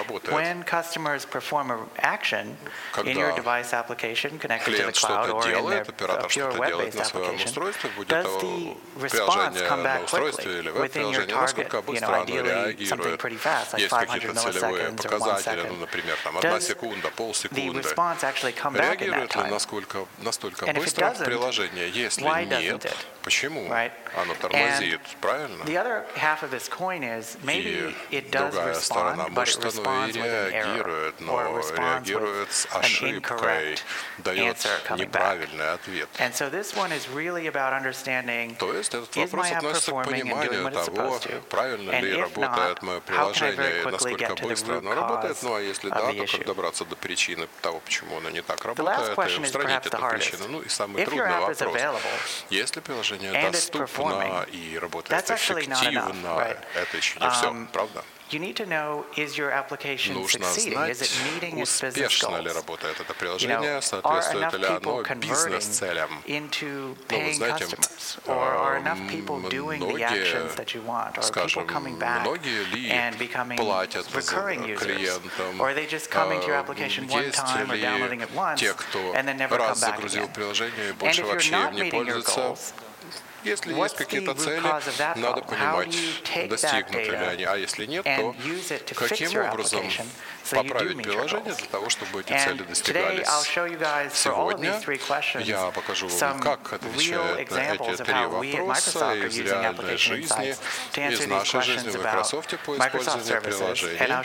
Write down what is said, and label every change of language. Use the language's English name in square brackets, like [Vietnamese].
[English] When customers perform an action in your device application connected to the cloud or in their pure web-based application, does the response come back quickly within your target? You know, ideally something pretty fast, like 500 milliseconds or 1 second. Does the response actually come back in that time? And if it doesn't, why doesn't it? [Russian] Почему оно тормозит, правильно? [English] The other half of this coin is maybe it does respond, but it responds with an error, or responds with an incorrect answer coming back. And so this one is really about understanding, is my app performing and doing what it's supposed to? And if not, how can I very quickly get to the root cause of the issue? [Russian] Добраться до причины того, почему оно не так работает, [English] the last question is perhaps the hardest. If your app is available, and it's performing, that's actually not enough, right? You need to know, is your application succeeding? Is it meeting its business goals? Are enough people converting into paying customers? Or are enough people doing the actions that you want? Or are people coming back and becoming recurring users? Or are they just coming to your application one time or downloading it once and then never come back again? And if you're not meeting your goals, [Russian] Если есть какие-то цели, надо понимать, достигнуты ли они. А если нет, то каким образом поправить приложение для того, чтобы эти цели достигались. Сегодня я покажу вам, как отвечают на эти три вопроса из реальной жизни, из нашей жизни в Microsoft по использованию приложений.